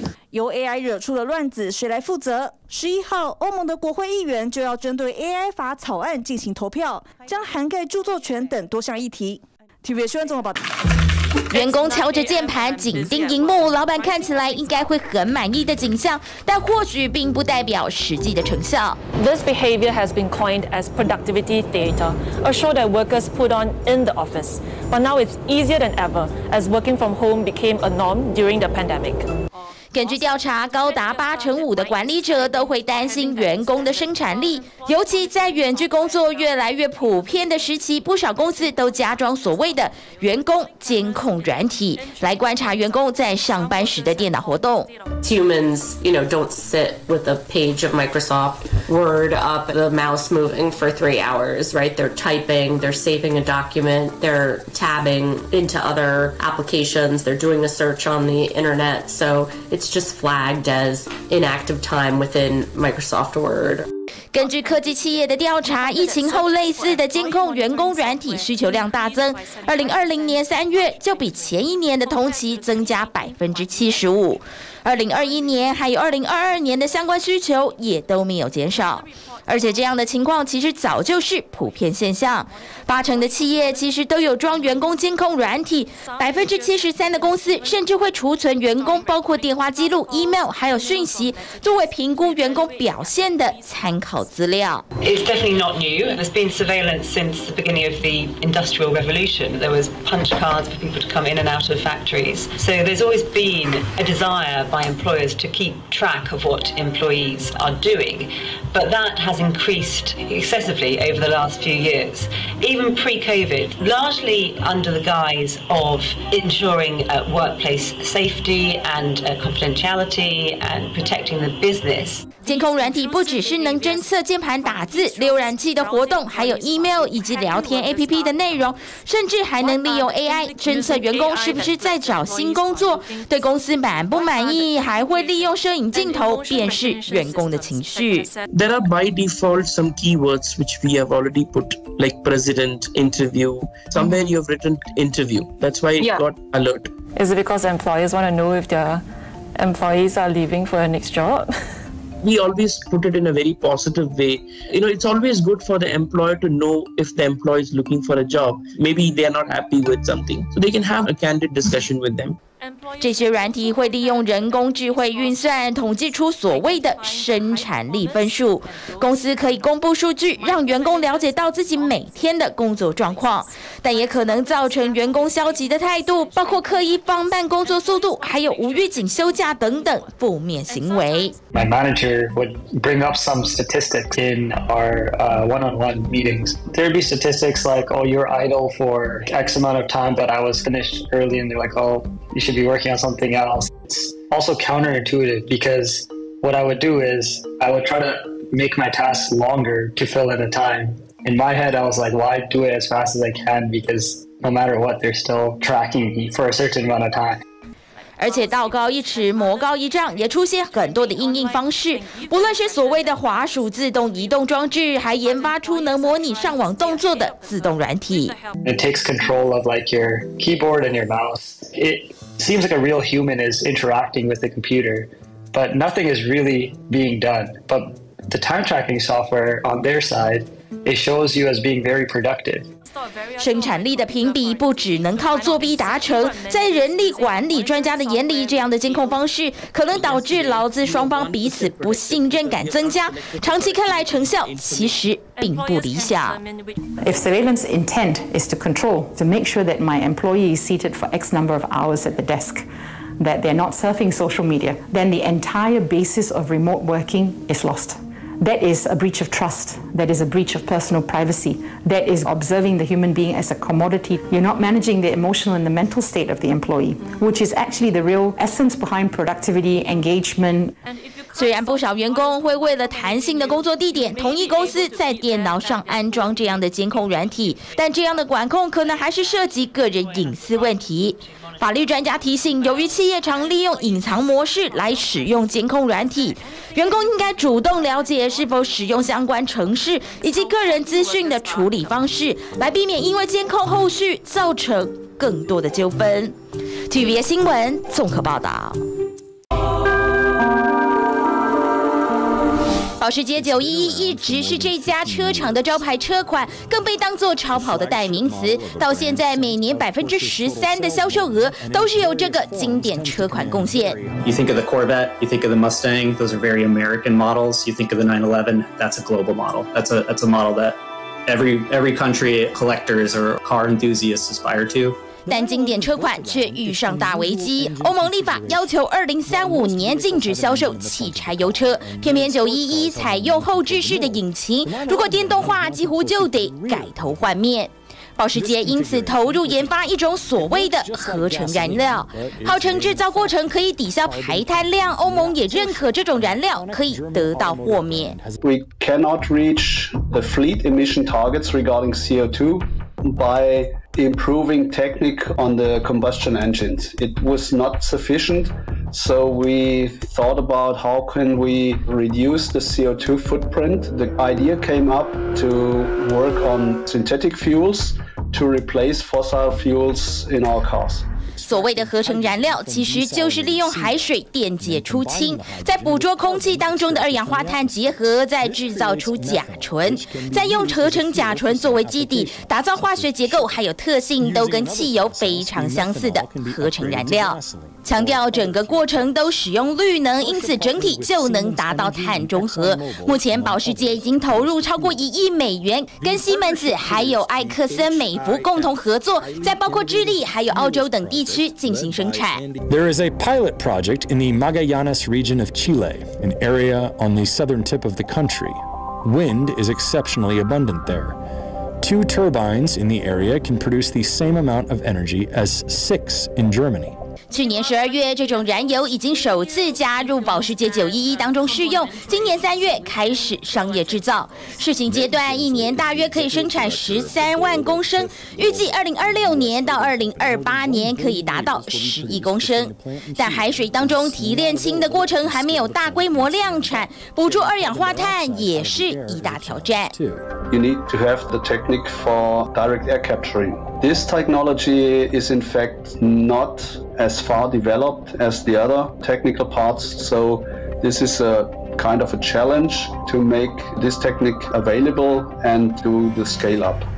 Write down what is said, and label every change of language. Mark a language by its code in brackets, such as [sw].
[zh] 由 AI 惹出了乱子，谁来负责？11号，欧盟的国会议员就要针对 AI 法草案进行投票，将涵盖著作权等多项议题。 TVB 新闻综合报道。员工敲着键盘，紧盯荧幕，老板看起来应该会很满意的景象，但或许并不代表实际的成效。 [en] This behavior has been coined as productivity theater, a show that workers put on in the office. But now it's easier than ever as working from home became a norm during the pandemic. [zh] 根据调查，高达85%的管理者都会担心员工的生产力，尤其在远距工作越来越普遍的时期，不少公司都加装所谓的员工监控软体，来观察员工在上班时的电脑活动。 [en] Humans, you know, don't sit with a page of Microsoft Word up the mouse moving for 3 hours, right? They're typing, they're saving a document, they're tabbing into other applications, they're doing a search on the internet, so. It's just flagged as inactive time within Microsoft Word. [zh] 根据科技企业的调查，疫情后类似的监控员工软体需求量大增。 2020年3月就比前一年的同期增加75%。 2021年还有2022年的相关需求也都没有减少。而且这样的情况其实早就是普遍现象，80%的企业其实都有装员工监控软体，73%的公司甚至会储存员工包括电话记录、email 还有讯息，作为评估员工表现的参考资料。 [en] It's definitely not new. There's been surveillance since the beginning of the Industrial Revolution. There was punch cards for people to come in and out of factories. So there's always been a desire by employers to keep track of what employees are doing, but that has increased excessively over the last few years, even pre-COVID, largely under the guise of ensuring workplace safety and confidentiality and protecting the business. [zh] 监控软体不只是能侦测键盘打字、浏览器的活动，还有 email 以及聊天 APP 的内容，甚至还能利用 AI 侦测员工是不是在找新工作，对公司满不满意，还会利用摄影镜头辨识员工的情绪。 [en] There are by default some keywords which we have already put, like president, interview. Somewhere you have written interview. That's why it got alert. Is it because employers want to know if their employees are leaving for a next job? We always put it in a very positive way. You know, it's always good for the employer to know if the employee is looking for a job. Maybe they are not happy with something. So they can have a candid discussion with them. [zh] 这些软体会利用人工智慧运算统计出所谓的生产力分数，公司可以公布数据让员工了解到自己每天的工作状况，但也可能造成员工消极的态度，包括刻意放慢工作速度，还有无预警休假等等负面行为。 [en] My manager would bring up some statistics in our one-on-one meetings. There'd be statistics like, oh, you're idle for X amount of time, but I was finished early, and they're like, oh,should be working on something else. It's also counterintuitive because what I would do is I would try to make my tasks longer to fill in the time. In my head, I was like, why do it as fast as I can? Because no matter what, they're still tracking me for a certain amount of time. [zh] 而且道高一尺，魔高一丈，也出现很多的应用方式。不论是所谓的滑鼠自动移动装置，还研发出能模拟上网动作的自动软体。 [en] It takes control of like your keyboard and your mouse. It seems like a real human is interacting with the computer, but nothing is really being done. But the time tracking software on their side, it shows you as being very productive. [zh] 生产力的评比不只能靠作弊达成，在人力管理专家的眼里，这样的监控方式可能导致劳资双方彼此不信任感增加，长期看来成效其实并不理想。 [en] If surveillance intent is to control, to make sure that my employee is seated for X number of hours at the desk, that they're not surfing social media, then the entire basis of remote working is lost. That is a breach of trust. That is a breach of personal privacy. That is observing the human being as a commodity. You're not managing the emotional and the mental state of the employee, which is actually the real essence behind productivity, engagement. [zh] 虽然不少员工会为了弹性的工作地点，同意公司在电脑上安装这样的监控软体，但这样的管控可能还是涉及个人隐私问题。法律专家提醒，由于企业常利用隐藏模式来使用监控软体，员工应该主动了解是否使用相关程式以及个人资讯的处理方式，来避免因为监控后续造成更多的纠纷。TVB 新闻综合报道。保时捷911一直是这家车厂的招牌车款，更被当作超跑的代名词。到现在，每年13%的销售额都是由这个经典车款贡献。 [en] You think of the Corvette, you think of the Mustang, those are very American models. You think of the 911, that's a global model. That's a model that every country collectors or car enthusiasts aspire to. [zh] 但经典车款却遇上大危机，欧盟立法要求2035年禁止销售汽柴油车，偏偏911采用后置式的引擎，如果电动化几乎就得改头换面。保时捷因此投入研发一种所谓的合成燃料，号称制造过程可以抵消排碳量，欧盟也认可这种燃料可以得到豁免。 [en] We cannot reach the fleet emission targets regarding CO2 by improving technique on the combustion engines. It was not sufficient, so we thought about how can we reduce the CO2 footprint. The idea came up to work on synthetic fuels to replace fossil fuels in our cars. [zh] 所谓的合成燃料其实就是利用海水电解出氢，在捕捉空气当中的二氧化碳结合，再制造出甲醇，再用合成甲醇作为基底打造化学结构还有特性都跟汽油非常相似的合成燃料，强调整个过程都使用绿能，因此整体就能达到碳中和。目前保时捷已经投入超过1亿美元，跟西门子还有埃克森美孚共同合作，在包括智利还有澳洲等地区进行生产。 [en] There is a pilot project in the Magallanes region of Chile, an area on the southern tip of the country. Wind is exceptionally abundant there. Two turbines in the area can produce the same amount of energy as 6 in Germany. [zh] 去年12月，这种燃油已经首次加入保时捷911当中试用，今年3月开始商业制造。试行阶段，一年大约可以生产13万公升，预计2026年到2028年可以达到10亿公升。但海水当中提炼氢的过程还没有大规模量产，捕捉二氧化碳也是一大挑战。 [en] You need to have the technique for direct air capturing. This technology is in fact not as far developed as the other technical parts, so this is a kind of a challenge to make this technique available and do the scale up.